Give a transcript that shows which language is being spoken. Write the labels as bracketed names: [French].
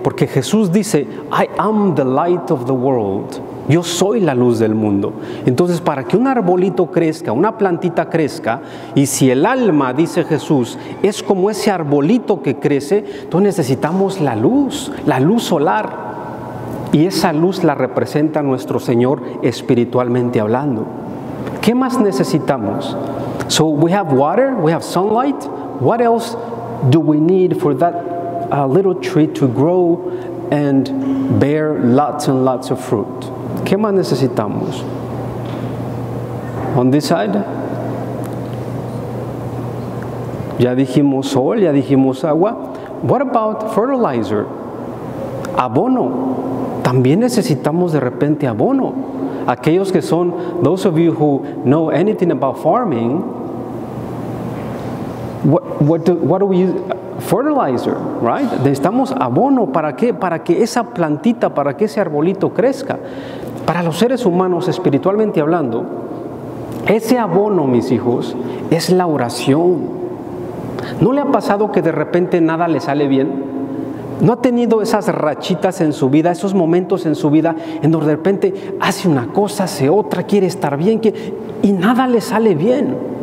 [Spanish] Porque Jesús dice, [English] I am the light of the world. [Spanish] Yo soy la luz del mundo. Entonces, para que un arbolito crezca, una plantita crezca, y si el alma, dice Jesús, es como ese arbolito que crece, entonces necesitamos la luz solar. Y esa luz la representa nuestro Señor espiritualmente hablando. ¿Qué más necesitamos? [English] So we have water, we have sunlight. What else do we need for that little tree to grow and bear lots and lots of fruit? [Spanish] ¿Qué más necesitamos? [English] On this side? [Spanish] Ya dijimos sol, ya dijimos agua. [English] What about fertilizer? [Spanish] Abono. También necesitamos de repente abono. Aquellos que son, [English] those of you who know anything about farming, what do we use? Fertilizer, right? [Spanish] Necesitamos abono. ¿Para qué? Para que esa plantita, para que ese arbolito crezca. Para los seres humanos, espiritualmente hablando, ese abono, mis hijos, es la oración. ¿No le ha pasado que de repente nada le sale bien? ¿No ha tenido esas rachitas en su vida, esos momentos en su vida en donde de repente hace una cosa, hace otra, quiere estar bien, y nada le sale bien?